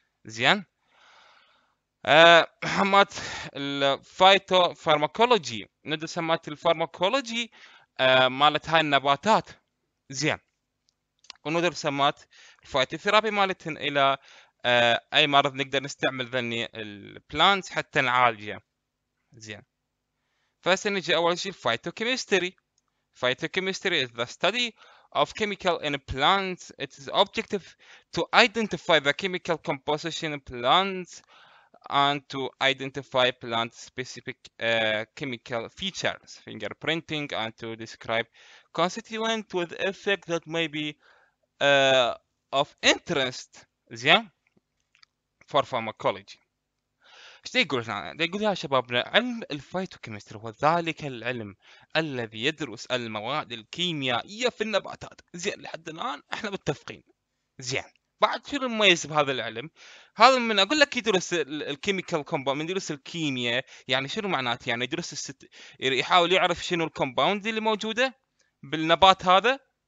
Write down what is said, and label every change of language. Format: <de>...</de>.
<ar>زين، همات الفايتوفارماكولوجي، ندرس همات الفارماكولوجي مالت هاي النباتات. زين، وندرس همات الفايتوثيرابي مالتهم الى اي مرض نقدر نستعمل ذني البلانتس حتى نعالجه. زين، فهسه نجي اول شيء فايتوكيمستري.</ar> <en>Phytochemistry is the study of chemical in plants. Its objective to identify the chemical composition in plants and to identify plant specific chemical features, fingerprinting, and to describe constituent with effect that may be of interest.</en> <ar>زين،</ar> <en>for pharmacology.</en> <ar>ايش يقول هنا؟ يقول يا شبابنا، علم الفايتوكيمستري هو ذلك العلم الذي يدرس المواد الكيميائية في النباتات. زين، لحد الآن احنا متفقين. زين، بعد شنو المميز بهذا العلم؟ هذا من اقول لك يدرس الكيميكال كومباوند، من يدرس الكيمياء، يعني شنو معناته؟ يعني يدرس يحاول يعرف شنو الكومباوند اللي موجوده بالنبات هذا.</ar>